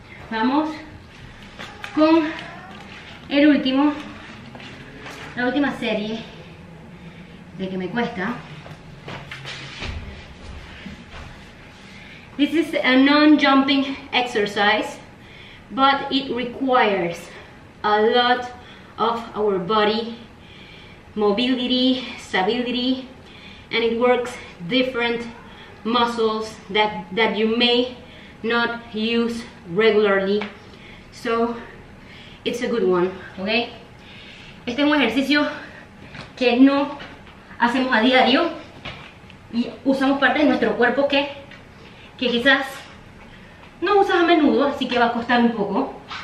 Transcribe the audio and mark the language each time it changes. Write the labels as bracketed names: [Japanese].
[Spanish] Vamos con el último, la última serie de que me cuesta. [English] This is a non-jumping exercise, but it requires a lot of our body mobility, stability, and it works different muscles that you may not use regularly. So it's a good one, okay? [Spanish] Este es un ejercicio que no hacemos a diario y usamos parte de nuestro cuerpo que quizás no usas a menudo, así que va a costar un poco.